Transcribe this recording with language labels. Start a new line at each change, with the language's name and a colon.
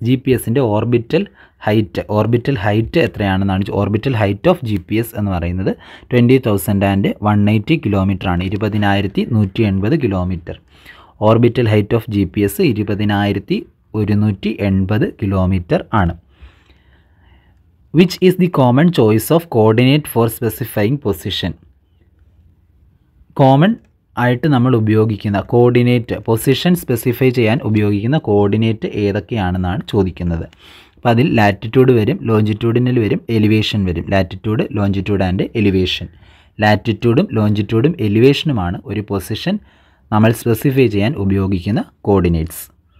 Malayalam: GPSൻ്റെ orbital height എത്രയാണെന്നാണ്. Orbital height of GPS എന്ന് പറയുന്നത് 20,180 kilometers ആണ്. 20,180 kilometers orbital height of GPS 20,180 kilometers ആണ്.
English: Which is the common choice of coordinate for specifying position?
Malayalam: Common ആയിട്ട് നമ്മൾ ഉപയോഗിക്കുന്ന coordinate, position specify ചെയ്യാൻ ഉപയോഗിക്കുന്ന കോർഡിനേറ്റ് ഏതൊക്കെയാണെന്നാണ് ചോദിക്കുന്നത്. അപ്പോൾ അതിൽ ലാറ്റിറ്റ്യൂഡ് വരും, ലോഞ്ചിറ്റ്യൂഡിനിൽ വരും, എലിവേഷൻ വരും. Latitude, longitude and elevation. ലാറ്റിറ്റ്യൂഡും ലോഞ്ചിറ്റ്യൂഡും എലിവേഷനുമാണ് ഒരു പൊസിഷൻ നമ്മൾ സ്പെസിഫൈ ചെയ്യാൻ ഉപയോഗിക്കുന്ന കോർഡിനേറ്റ്സ്.